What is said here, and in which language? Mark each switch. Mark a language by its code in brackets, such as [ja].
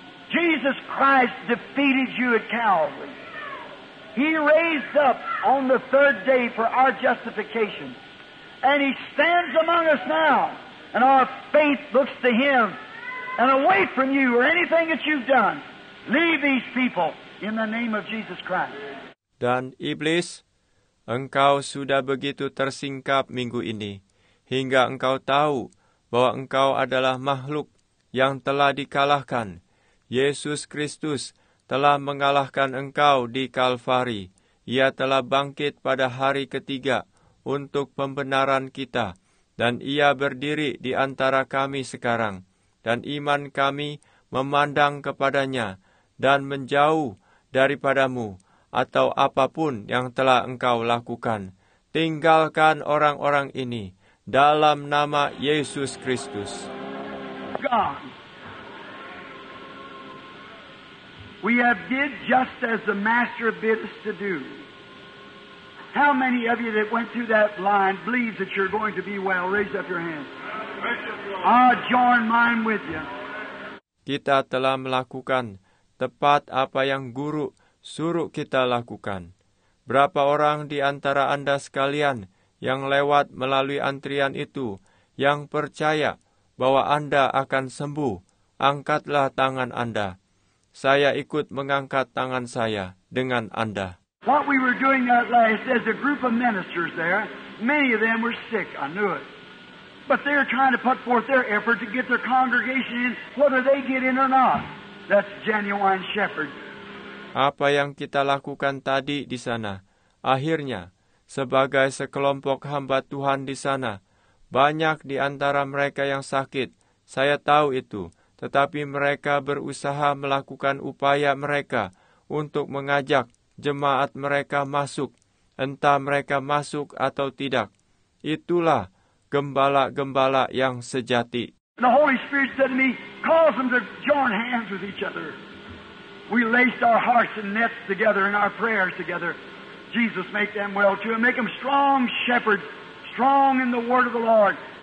[en] Jesus Christ defeated you at Calvary. He raised up on the third day for our justification. And He stands among us now. And our faith looks to Him. And away from you or anything that you've done, leave these people in the name of Jesus Christ. [id] Dan iblis, engkau sudah begitu tersingkap minggu ini, hingga engkau tahu bahwa engkau adalah makhluk yang telah dikalahkan. Yesus Kristus telah mengalahkan engkau di Kalvari. Ia telah bangkit pada hari ketiga untuk pembenaran kita, dan ia berdiri di antara kami sekarang, dan iman kami memandang kepadanya dan menjauh daripadamu atau apapun yang telah engkau lakukan. Tinggalkan orang-orang ini dalam nama Yesus Kristus. [en] God, we have did just as the Master bid us to do. How many of you that went through that line believes that you're going to be well? Raise up your hand. I'll join mine with you. [id] Kita telah melakukan tepat apa yang Guru suruh kita lakukan. Berapa orang di antara Anda sekalian yang lewat melalui antrian itu yang percaya bahwa Anda akan sembuh? Angkatlah tangan Anda. Saya ikut mengangkat tangan saya dengan Anda. [en] What we were doing that last, there's a group of ministers there. Many of them were sick, I knew it. But they're trying to put forth their effort to get their congregation in, whether they get in or not. That's genuine shepherd. [id] Apa yang kita lakukan tadi di sana, akhirnya, sebagai sekelompok hamba Tuhan di sana, banyak di antara mereka yang sakit, saya tahu itu, tetapi mereka berusaha melakukan upaya mereka untuk mengajak jemaat mereka masuk, entah mereka masuk atau tidak. Itulah gembala-gembala yang sejati. [en] The Holy Spirit said to me, cause them to join hands with each other. We laced our hearts and nets together and our prayers together. Jesus, make them well too. Make them strong shepherds, strong in the word of the Lord.